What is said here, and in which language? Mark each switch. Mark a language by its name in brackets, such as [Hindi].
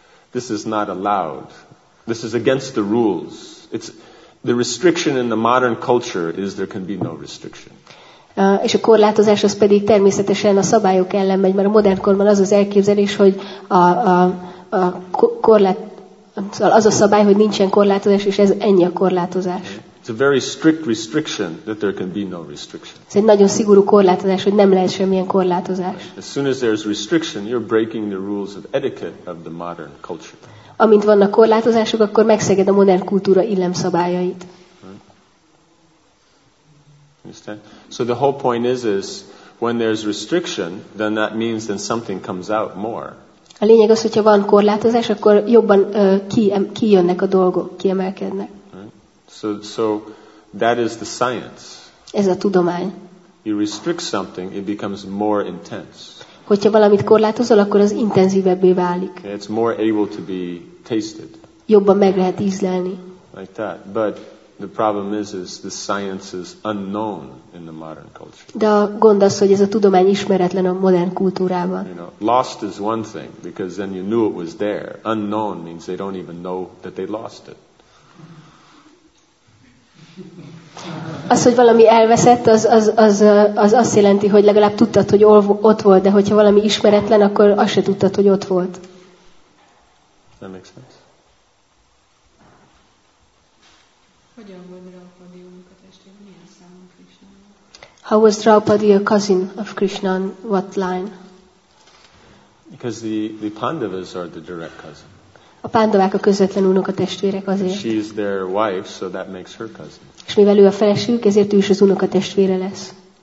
[English] This is not allowed. This is against the rules. It's the restriction in the modern culture is there can be no restriction. [Hungarian] És a korlátozás az pedig természetesen a szabályok ellen megy, mert a modern korban az az elképzelés, hogy a korlát, szóval az a szabály, hogy nincsen korlátozás, és ez ennyi a korlátozás. [English] It's a very strict restriction that there can be no restriction. [Hungarian] Ez egy nagyon szigorú korlátozás, hogy nem lehet semmilyen korlátozás. [English] As soon as there's restriction, you're breaking the rules of etiquette of the modern culture. [Hungarian] Amint vannak korlátozások, akkor megszeged a modern kultúra illemszabályait. [English] Understand? So the whole point is when there's restriction, then that means then something comes out more. [Hungarian] A lényeg az, hogyha van korlátozás, akkor jobban kijönnek a dolgok, kiemelkednek. [English] So that is the science. [Hungarian] Ez a tudomány. [English] You restrict something, it becomes more intense. [Hungarian] Hogyha valamit korlátozol, akkor az intenzívebbé válik. [English] It's more able to be tasted. [Hungarian] Jobban meg lehet ízlelni. [English] Like that. But The problem is the science is unknown in the modern culture. [Hungarian] De a gond az, hogy ez a tudomány ismeretlen a modern kultúrában. [English] You know, lost is one thing because then you knew it was there. Unknown means they don't even know that they lost it. [Hungarian] Az, hogy valami elveszett, az azt jelenti, hogy legalább tudtad, hogy ott volt, de hogyha valami ismeretlen, akkor azt se tudtad, hogy ott volt. [English] That makes sense. [Hungarian] Hogyan volt Draupadi unoka testvér? Milyen számon Krishna? [English] How was Draupadi a cousin of Krishna? On what line? Because the Pandavas are the direct cousin. [Hungarian] A Pandavák a közvetlen unoka testvérek azért. [English] She is their wife, so that makes her cousin. [Hungarian] És mivel ő a feleségük, ezért ő is az unoka testvére lesz.